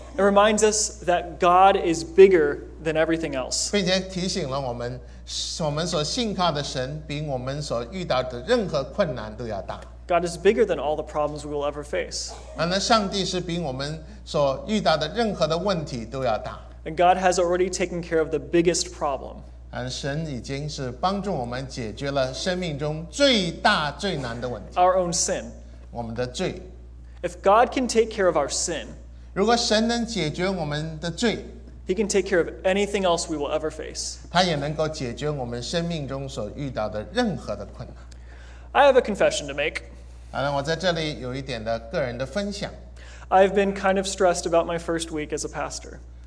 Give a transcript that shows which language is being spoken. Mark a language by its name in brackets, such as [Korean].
[English] It reminds us that God is bigger than everything else. [Chinese] 并且提醒了我们， 我们所信靠的神比我们所遇到的任何困难都要大。 [English] God is bigger than all the problems we will ever face. [Chinese] 上帝是比我们所遇到的任何的问题都要大。 [English] And God has already taken care of the biggest problem. [Chinese] 神已经是帮助我们解决了生命中最大最难的问题。 [English] Our own sin. [Chinese] 我们的罪。 [English] If God can take care of our sin, [Chinese] 如果神能解决我们的罪, [English] He can take care of anything else we will ever face. [Chinese] 他也能够解决我们生命中所遇到的任何的困难。 [English] I have a confession to make. [Chinese] 我在这里有一点的个人的分享。 [English] I've been kind of stressed about my first week as a pastor.